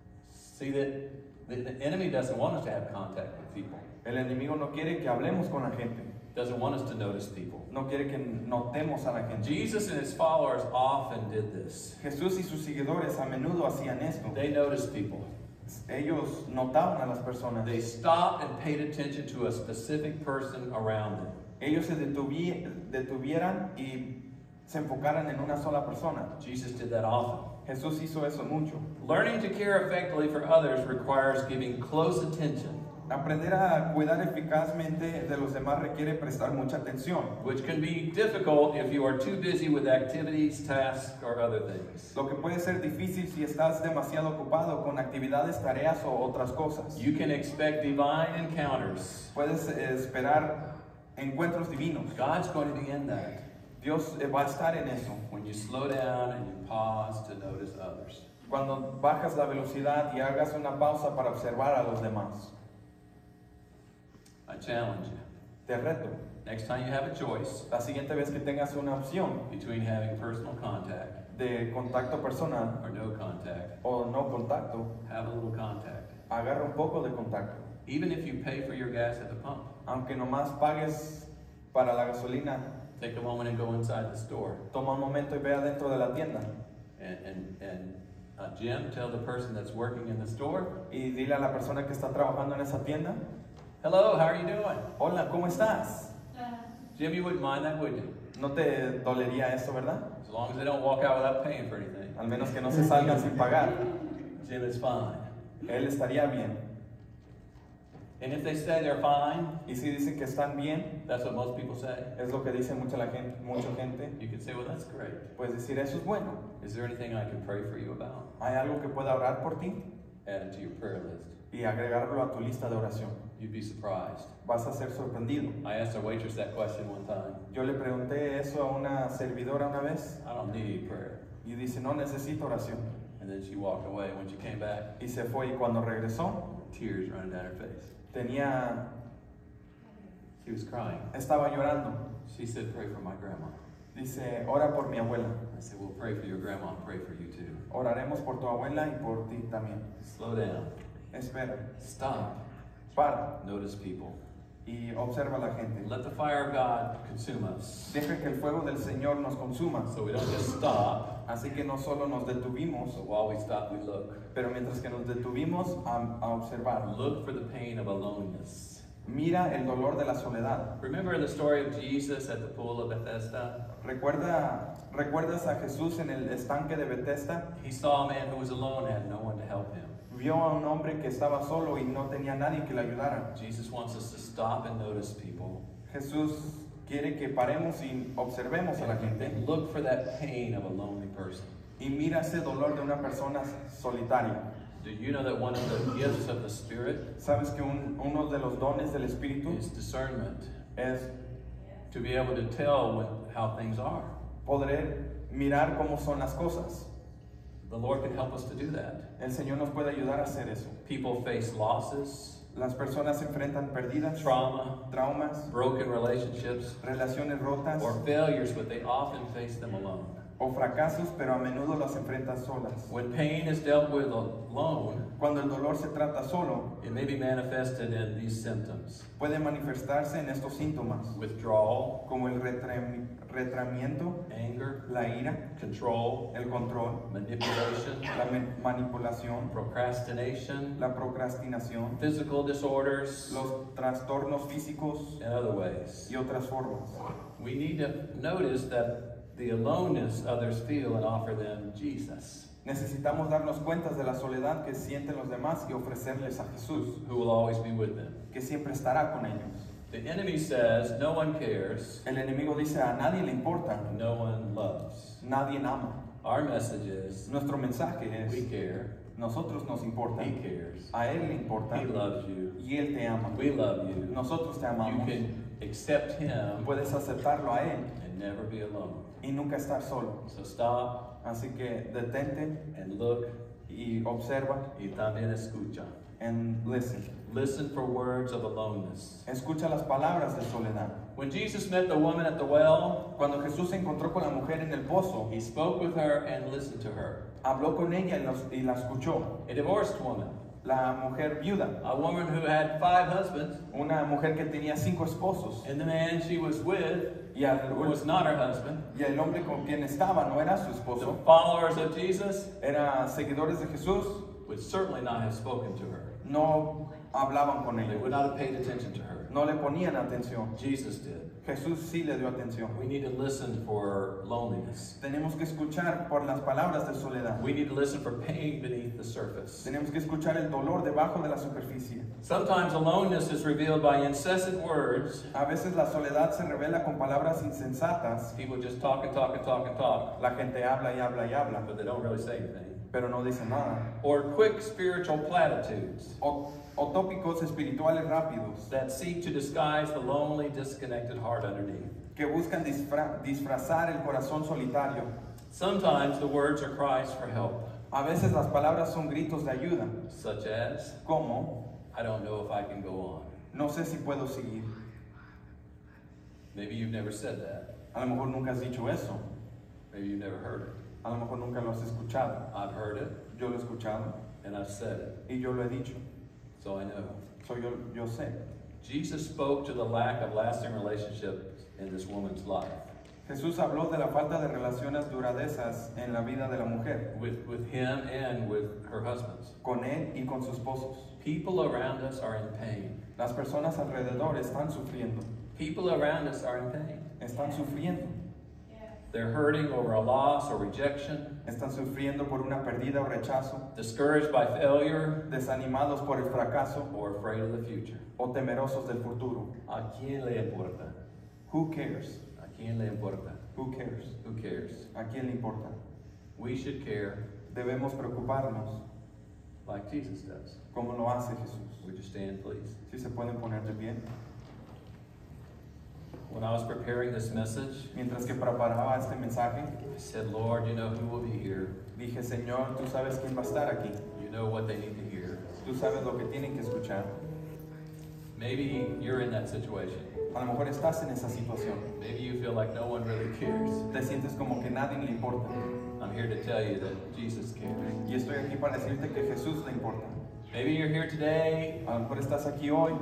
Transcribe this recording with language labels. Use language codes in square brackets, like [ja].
[en] See that the enemy doesn't want us to have contact with people. [es] El enemigo no quiere que hablemos con la gente. [en] Doesn't want us to notice people. [es] No quiere que notemos a la gente. [en] Jesus and his followers often did this. [es] Jesús y sus seguidores a menudo hacían esto. [en] They noticed people. [es] Ellos notaban a las personas. [en] They stopped and paid attention to a specific person around them. [es] Ellos se detuvieran y se enfocaran en una sola persona. [en] Jesus did that often. [es] Jesús hizo eso mucho. [en] Learning to care effectively for others requires giving close attention. [es] Aprender a cuidar eficazmente de los demás requiere prestar mucha atención. [en] Which can be difficult if you are too busy with activities, tasks, or other things. [es] Lo que puede ser difícil si estás demasiado ocupado con actividades, tareas, o otras cosas. [en] You can expect divine encounters. [es] Puedes esperar encuentros divinos. [en] God's going to be in that. [es] Dios va a estar en eso. [en] When you slow down and you pause to notice others. [es] Cuando bajas la velocidad y hagas una pausa para observar a los demás. [en] I challenge you. [es] Te reto. [en] Next time you have a choice, [es] la siguiente vez que tengas una opción, [en] between having personal contact, [es] de contacto personal, [en] or no contact, [es] o no contacto, [en] have a little contact. [es] Agarra un poco de contacto. [en] Even if you pay for your gas at the pump, [es] aunque nomás pagues para la gasolina, [en] take a moment and go inside the store. [es] Toma un momento y ve adentro de la tienda. [en] And Jim, tell the person that's working in the store. [es] Y dile a la persona que está trabajando en esa tienda. [en] Hello, how are you doing? [es] Hola, ¿cómo estás? [en] Jim, you wouldn't mind that, would you? [es] No te dolería eso, ¿verdad? [en] As long as they don't walk out without paying for anything. [es] Al menos que no se salgan sin pagar. [en] Jim is fine. [es] Él estaría bien. [en] And if they say they're fine, [es] y si dicen que están bien, [en] that's what most people say. [es] Es lo que dice mucha gente. [en] You can say, well, that's great. [es] Puedes decir, eso es bueno. [en] Is there anything I can pray for you about? [es] ¿Hay algo que pueda orar por ti? [en] Add it to your prayer list. [es] Y agregarlo a tu lista de oración. [en] You'd be surprised. [es] Vas a ser sorprendido. [en] I asked a waitress that question one time. [es] Yo le pregunté eso a una servidora una vez. [en] I don't need prayer. [es] Y dice, no necesito oración. [en] And then she walked away when she came back. [es] Y se fue, y cuando regresó, [en] tears running down her face. [es] Tenía, [en] she was crying. [es] Estaba llorando. [en] She said, pray for my grandma. [es] Dice, ora por mi abuela. [en] I said, we'll pray for your grandma and pray for you too. [es] Oraremos por tu abuela y por ti también. [en] Slow down. [es] Espera. [en] Stop. [es] Para. [en] Notice people. [es] Y observa la gente. [en] Let the fire of God consume us. [es] Deja que el fuego del Señor nos consuma. [en] So we don't just stop. [es] Así que no solo nos detuvimos. [en] But while we stop, we look. [es] Pero mientras que nos detuvimos, a observar. [en] Look for the pain of aloneness. [es] Mira el dolor de la soledad. [en] Remember the story of Jesus at the pool of Bethesda? [es] ¿Recuerdas a Jesús en el estanque de Bethesda? [en] He saw a man who was alone and had no one to help him. [es] Vio a un hombre que estaba solo y no tenía nadie que le ayudara. [en] Jesus wants us to stop and notice people. [es] Jesús quiere que paremos y observemos [en] and [es] a la gente. [en] Look for that pain of a lonely person. [es] Y mira ese dolor de una persona solitaria. [en] Do you know that one of the gifts of the Spirit? [es] ¿Sabes que uno de los dones del Espíritu? [en] Is discernment. [es] Es [en] to be able to tell how things are. [es] Podré mirar cómo son las cosas. [en] The Lord can help us to do that. [es] El Señor nos puede ayudar a hacer eso. [en] People face losses. [es] Las personas enfrentan pérdidas. [en] Trauma. [es] Traumas. [en] Broken relationships. [es] Relaciones rotas. [en] Or failures, but they often face them alone. [es] O fracasos, pero a menudo las enfrentan solas. [en] When pain is dealt with alone, [es] cuando el dolor se trata solo, [en] it may be manifested in these symptoms. [es] Puede manifestarse en estos síntomas. [en] Withdrawal, [es] como el retraimiento, [en] anger, [es] la ira, [en] control, [es] el control, [en] manipulation, [es] la manipulación, [en] procrastination, [es] la procrastinación, [en] physical disorders, [es] los trastornos físicos, [en] and other ways. [es] Y otras formas. [en] We need to notice that the aloneness others feel and offer them Jesus. [es] Necesitamos darnos cuentas de la soledad que sienten los demás y ofrecerles a Jesús. [en] Who will always be with them. [es] Que siempre estará con ellos. [en] The enemy says no one cares. [es] El enemigo dice a nadie le importa. [en] No one loves. [es] Nadie ama. [en] Our message is. [es] Nuestro mensaje es. [en] We care. [es] Nosotros nos importa. [en] He cares. [es] A él le importa. [en] He loves you. [es] Y él te ama. [en] We love you. [es] Nosotros te amamos. [en] You can accept him. [es] Puedes aceptarlo a él. [en] And never be alone. [es] Y nunca estar solo. [en] So stop. [es] Así que detente. [en] And look. [es] Y observa. Y también escucha. [en] And listen. Listen for words of aloneness. [es] Escucha las palabras de soledad. [en] When Jesus met the woman at the well, [es] cuando Jesús se encontró con la mujer en el pozo, [en] he spoke with her and listened to her. [es] Habló con ella y la escuchó. [en] A divorced woman. [es] La mujer viuda. [en] A woman who had five husbands. [es] Una mujer que tenía cinco esposos. [en] And the man she was with. [es] Y al, [en] was not her husband. [es] Y el hombre con quien estaba no era su esposo. [en] The followers of Jesus. [es] Eran seguidores de Jesús. [en] Would certainly not have spoken to her. [es] No hablaban con ella. [en] They would not have paid attention to her. [es] No le ponían atención. [en] Jesus did. [es] Jesús sí le dio atención. [en] We need to listen for loneliness. [es] Tenemos que escuchar por las palabras de soledad. [en] We need to listen for pain beneath the surface. [es] Tenemos que escuchar el dolor debajo de la superficie. [en] Sometimes aloneness is revealed by incessant words. [es] A veces la soledad se revela con palabras insensatas. [en] People just talk and talk and talk and talk. [es] La gente habla y habla y habla. [en] But they don't really say anything. [es] Pero no dicen nada. [en] Or quick spiritual platitudes. [es] O tópicos espirituales rápidos [en] that seek to disguise the lonely, disconnected heart underneath. [es] Que buscan disfrazar el corazón solitario. [en] Sometimes the words are cries for help. [es] A veces las palabras son gritos de ayuda. [en] Such as, [es] como, [en] I don't know if I can go on. [es] No sé si puedo seguir. [en] Maybe you've never said that. [es] A lo mejor nunca has dicho eso. [en] Maybe you've never heard it. [es] A lo mejor nunca lo has escuchado. [en] I've heard it. [es] Yo lo he escuchado. [en] And I've said it. [es] Y yo lo he dicho. [en] So I know. [es] So yo sé. [en] Jesus spoke to the lack of lasting relationships in this woman's life. [es] Jesús habló de la falta de relaciones duraderas en la vida de la mujer. [en] With him and with her husbands. [es] Con él y con sus esposos. [en] People around us are in pain. [es] Las personas alrededor están sufriendo. [en] People around us are in pain. [es] Están sufriendo. [en] They're hurting over a loss or rejection. [es] Están sufriendo por una pérdida o rechazo. [en] Discouraged by failure. [es] Desanimados por el fracaso. [en] Or afraid of the future. [es] O temerosos del futuro. ¿A quién le importa? [en] Who cares? [es] ¿A quién le importa? [en] Who cares? Who cares? [es] ¿A quién le importa? [en] We should care. [es] Debemos preocuparnos. [en] Like Jesus does. [es] Como lo hace Jesús. [en] Would you stand, please? [es] Si se pueden poner de pie. [en] When I was preparing this message, [es] mientras que preparaba este mensaje, [en] I said, Lord, you know who will be here. [es] Dije, Señor, tú sabes quién va a estar aquí. [en] You know what they need to hear. [es] Tú sabes lo que tienen que escuchar. [en] Maybe you're in that situation. [es] A lo mejor estás en esa situación. [en] Maybe you feel like no one really cares. [es] Te sientes como que nadie le importa. [en] I'm here to tell you that Jesus cares. [es] Y estoy aquí para decirte que Jesús le importa. [en] Maybe you're here today. [es] A lo mejor estás aquí hoy.